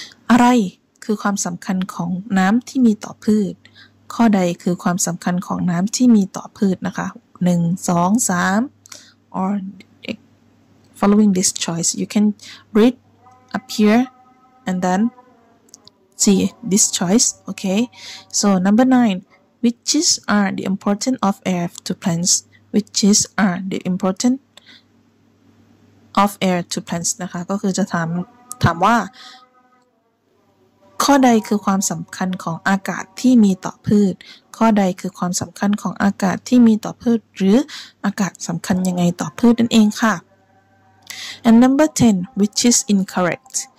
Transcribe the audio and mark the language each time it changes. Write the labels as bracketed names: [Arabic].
[Thai] อะไรคือความสำคัญของน้ำที่มีต่อพืชข้อใดคือความสำคัญของน้ำที่มีต่อพืชนะคะ [English] 1 2 3 or following this choice you can read up here and thenSee this choice, okay? So number 9, which is are the important of air to plants? Which is are the important of air to plants? [Thai] นะคะก็คือจะถามว่าข้อใดคือความสำคัญของอากาศที่มีต่อพืชข้อใดคือความสำคัญของอากาศที่มีต่อพืชหรืออากาศสำคัญยังไงต่อพืชนั่นเองค่ะ [English] And number 10, which is incorrect?